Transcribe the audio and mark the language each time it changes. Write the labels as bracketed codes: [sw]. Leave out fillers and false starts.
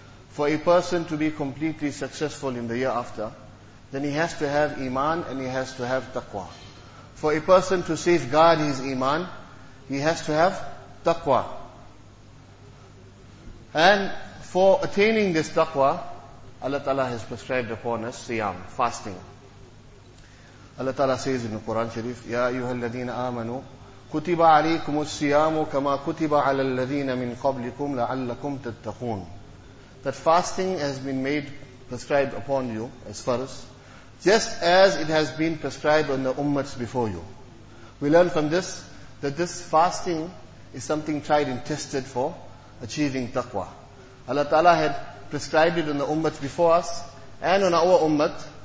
[en] For a person to be completely successful in the year after, then he has to have Iman and he has to have Taqwa. For a person to safeguard his Iman, he has to have Taqwa. And for attaining this Taqwa, Allah Ta'ala has prescribed upon us Siyam, fasting. Allah Ta'ala says in the Quran Sharif, [ar] يَا أَيُّهَا الَّذِينَ آمَنُوا كُتِبَ عَلَيْكُمُ السِّيَامُ كَمَا كُتِبَ عَلَى الَّذِينَ مِنْ قَبْلِكُمْ لَعَلَّكُمْ تَتَّقُونَ. [en] That fasting has been made prescribed upon you as farz, just as it has been prescribed on the ummats before you. We learn from this that this fasting is something tried and tested for achieving taqwa. Allah Ta'ala had prescribed it on the ummats before us and on our ummat.